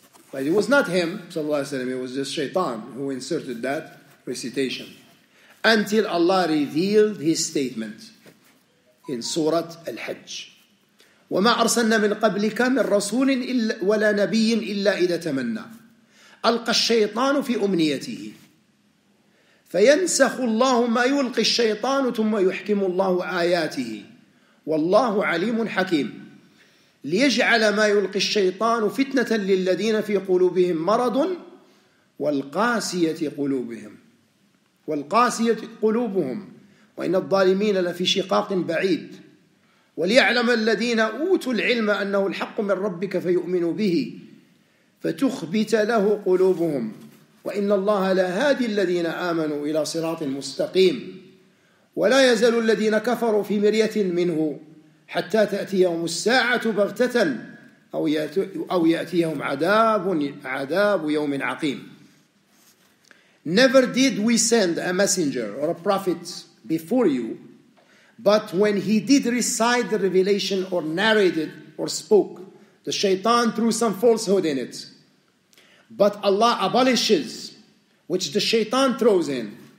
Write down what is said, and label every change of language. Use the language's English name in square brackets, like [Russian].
[English] But it was not him, sallallahu alaihi wasallam, it was just shaitan who inserted that recitation. Until Allah revealed his statement in Surah Al-Hajj. [Arabic] وَمَا أَرْسَلْنَا مِنْ قَبْلِكَ مِنْ رَسُولٍ وَلَا نَبِيٍّ إِلَّا إِذَا تَمَنَّى أَلْقَى الشَّيْطَانُ فِي أُمْنِيَتِهِ فَيَنْسَخُ اللَّهُ مَا يُلْقِي الشَّيْطَانُ ثُمَّ يُحْكِمُ اللَّهُ آيَاتِهِ وَاللَّهُ عَلِيمٌ حَكِيمٌ لِيَجْعَلَ مَا يُلْقِي الشَّيْطَانُ فِتْنَةً لِلَّذِينَ فِي قُلُوبِهِمْ مَرَضٌ وَالْقَاسِيَةِ قُلُوبِهِمْ وَالْقَاسِيَةِ قُلُوبُهُمْ وَإِنَّ الظَّالِمِينَ لَفِي شِقَاقٍ بَعِيدٍ وليعلم الذين أوتوا العلم أنه الحق من ربك فيؤمنوا به فتخبت له قلوبهم وإن الله لهادي الذين آمنوا إلى صراط مستقيم ولا يزال الذين كفروا في مرية منه حتى تأتيهم الساعة بغتة أو يأتيهم عذاب يوم عقيم. [English] Never did we send a messenger or a prophet before you, but when he did recite the revelation or narrated or spoke, the shaitan threw some falsehood in it. But Allah abolishes which the shaitan throws in.